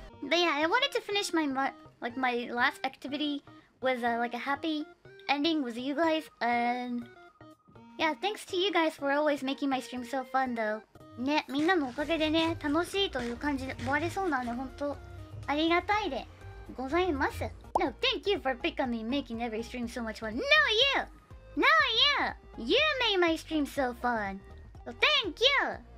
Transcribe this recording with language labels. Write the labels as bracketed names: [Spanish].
[English] But yeah, I wanted to finish my, like, my last activity with a, like, a happy ending with you guys. And yeah, thanks to you guys for always making my stream so fun though. [Japanese] ね、みんなのおかげでね、楽しいという感じで終わりそうなので、本当ありがたいでございます。 [English] No, thank you for picking me, making every stream so much fun. No, you! No, you! You made my stream so fun! So thank you!